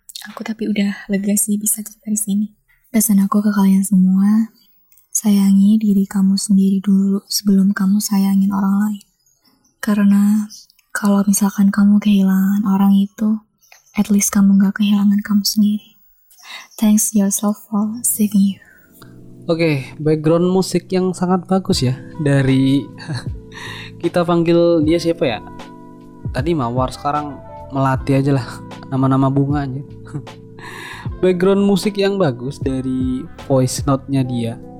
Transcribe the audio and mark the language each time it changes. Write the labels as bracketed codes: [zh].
[id] Aku tapi udah lega sih bisa cerita di sini. Pesan aku ke kalian semua, sayangi diri kamu sendiri dulu sebelum kamu sayangin orang lain. Karena kalau misalkan kamu kehilangan orang itu, [en] at least [id] kamu gak kehilangan kamu sendiri. [en] Thanks yourself for saving you. [id] Oke, background musik yang sangat bagus ya. Dari kita panggil dia siapa ya? Tadi Mawar, sekarang Melati aja lah, nama-nama bunga aja. Background musik yang bagus dari voice note-nya dia.